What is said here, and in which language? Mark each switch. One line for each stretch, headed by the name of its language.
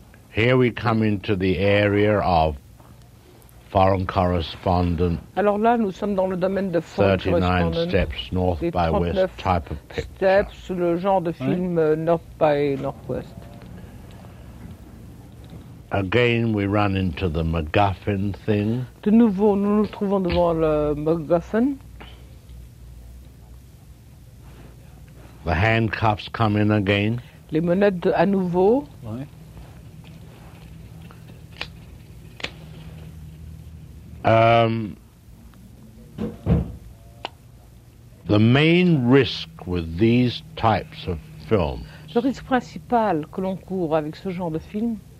English: Here we come into the area of foreign correspondent.
French: Alors là, nous sommes dans le domaine de foreign correspondent.
English: 39 steps north by west type of picture.
French: Steps, le genre de film north by northwest.
English: Again, we run into the MacGuffin thing.
French: De nouveau, nous nous trouvons devant le MacGuffin.
English: The handcuffs come in again.
French: Les menottes à nouveau. Ouais.
English: The main risk with these types of films.
French: Le risque principal que l'on court avec ce genre de film.